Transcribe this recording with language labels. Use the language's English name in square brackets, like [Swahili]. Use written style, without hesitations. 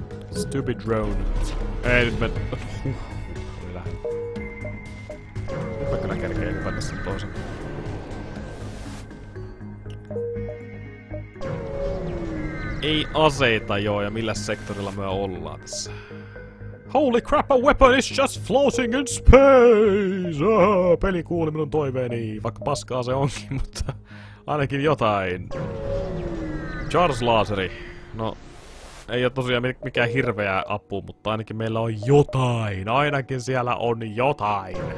[Finnish] Stupid drone. Ei, nyt mennä. Oli lähellä. Nyt mä kyllä kerkeen hypätä sen toisen. Ei aseita joo, ja millä sektorilla me ollaan tässä. [English] Holy crap, a weapon is just floating in space! [Finnish] Peli kuuli minun toiveeni, vaikka paskaa se onkin, mutta ainakin jotain. Charge-laaseri. No, ei ole tosiaan mikään hirveä apu, mutta ainakin meillä on jotain. Ainakin siellä on jotain.